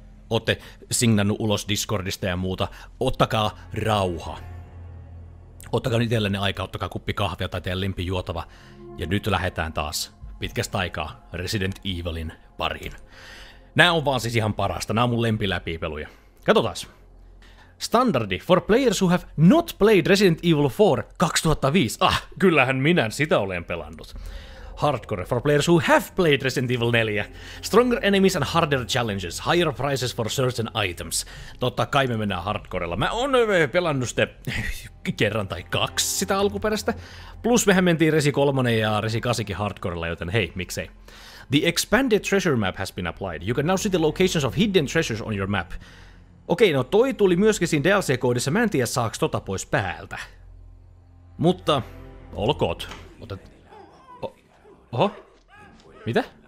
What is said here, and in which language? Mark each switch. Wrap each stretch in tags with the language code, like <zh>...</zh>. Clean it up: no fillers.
<fi>Ootte signannut ulos Discordista ja muuta. Ottakaa rauha. Ottakaa itsellenne aikaa, ottakaa kuppi kahvia tai teidän lempi juotava. Ja nyt lähdetään taas pitkästä aikaa Resident Evilin pariin. Nää on vaan siis ihan parasta, nää on mun lempiläpipeluja. Katsotaas.</fi> <en>Standardi for players who have not played Resident Evil 4 2005.</en> <fi>Ah, kyllähän minä sitä olen pelannut.</fi> <en>Hardcore for players who have played Resident Evil 4. Stronger enemies and harder challenges. Higher prices for certain items.</en> <fi>Totta kai me mennään hardcorella. Mä oon pelannut sitä kerran tai kaksi sitä alkuperäistä. Plus mehän mentiin Resi 3 ja Resi 8 hardcorella, joten hei, miksei.</fi> <en>The expanded treasure map has been applied. You can now see the locations of hidden treasures on your map.</en> <fi>Okei, no toi tuli myöskin siinä DLC-koodissa, mä en tiedä saaks tota pois päältä. Mutta, olkoot. Oho? Mitä?</fi>